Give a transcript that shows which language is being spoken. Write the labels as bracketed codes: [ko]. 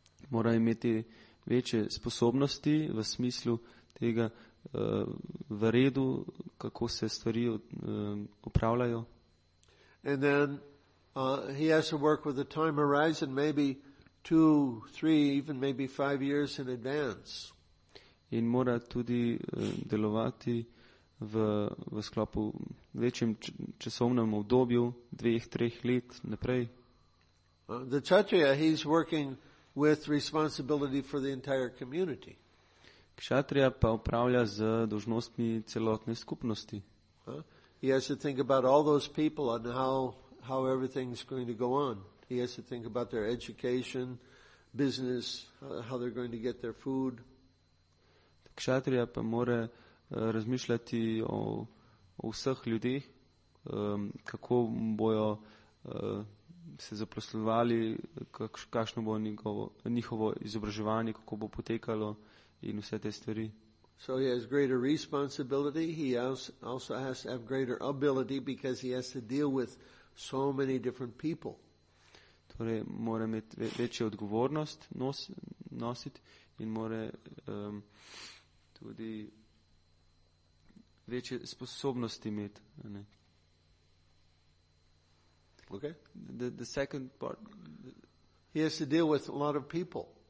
[sl] Mora imeti večje sposobnosti v smislu tega v redu, kako se stvari upravljajo. [en] And then he has to work with the time horizon maybe 2, 3, even maybe 5 years in advance. [sl] In mora tudi delovati v sklopu večjem časovnem obdobju 2, 3 let naprej. [en] The Kshatriya, he's working with responsibility for the entire community. [sl] Kshatriya pa upravlja z dolžnostmi celotne skupnosti. [en] He has to think about all those people and how everything's going to go on. He has to think about their education, business, how they're going to get their food. [sl] Kshatriya pa mora razmišljati o vseh ljudeh, kako bojo se zaposlovali, kakšno bo njihovo izobraževanje, kako bo potekalo in vse te stvari. [en] So he has greater responsibility, he also has to have greater ability because he has to deal with so many different people. [sl] Torej mora imeti večjo odgovornost nositi in mora tudi večje sposobnosti imeti, ne? [en] Okay. The second part. He has to deal with a lot of people.